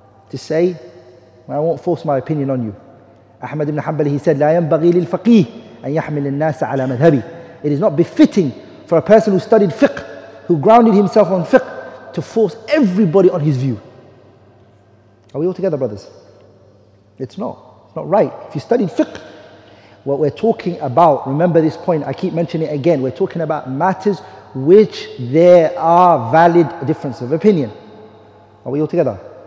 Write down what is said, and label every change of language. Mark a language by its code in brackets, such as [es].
[en] To say, well, I won't force my opinion on you. [ar] Ahmad ibn Hanbal, [en] he said, [ar] لا ينبغي للفقيه أن يحمل الناس على مذهبي. [en] It is not befitting for a person who studied fiqh, who grounded himself on fiqh, to force everybody on his view. Are we all together, brothers? It's not. It's not right. If you studied fiqh, what we're talking about, remember this point, I keep mentioning it again, we're talking about matters which there are valid differences of opinion. Are we all together?